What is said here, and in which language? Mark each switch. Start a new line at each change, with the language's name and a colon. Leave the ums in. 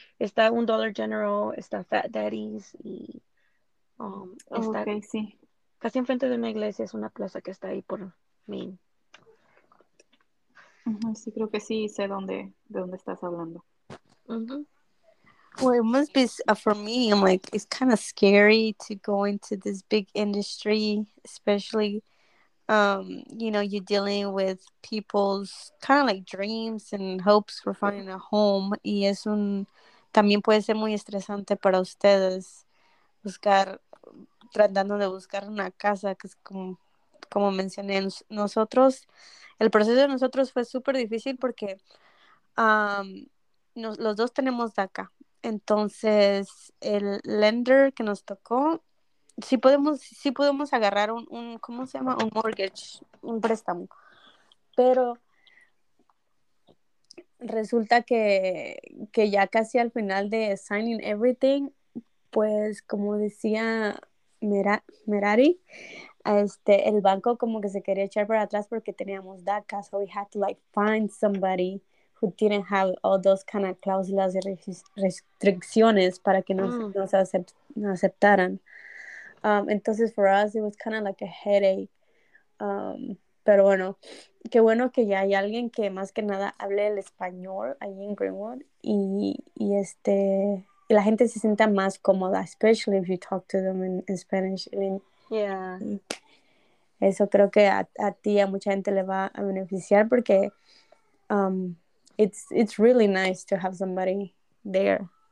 Spanish: Está un Dollar General, está Fat Daddy's y um, está okay, sí. casi enfrente de una iglesia, es una plaza que está ahí por Maine. Uh -huh, sí, creo que sí sé dónde, de dónde estás hablando. Uh -huh.
English: Well, it must be uh, for me. I'm like, it's kind of scary to go into this big industry, especially um, you know, you're dealing with people's kind of like dreams and hopes for finding a home.
Spanish: Y es un, también puede ser muy estresante para ustedes buscar, tratando de buscar una casa, que es como, como mencioné, nosotros, el proceso de nosotros fue súper difícil porque um, nos, los dos tenemos DACA. Entonces, el lender que nos tocó sí podemos, sí podemos agarrar un, un, ¿cómo se llama? Un mortgage, un préstamo. Pero resulta que, que ya casi al final de
English: signing everything,
Spanish: pues como decía Mera, Merari, este, el banco como que se quería echar para atrás porque teníamos DACA,
English: so we had to like find somebody who didn't have all those kind of
Spanish: cláusulas y restricciones para que nos, mm. nos, acept, nos aceptaran.
English: Um, entonces, for us, it was kind of like a headache.
Spanish: Um, pero bueno, qué bueno que ya hay alguien que más que nada hable el español ahí en Greenwood y, y este, y la gente se sienta más cómoda,
English: especially if you talk to them in, in Spanish. I mean, yeah.
Spanish: Eso creo que a, a, ti, a mucha gente le va a beneficiar porque um,
English: it's, it's really nice to have somebody there.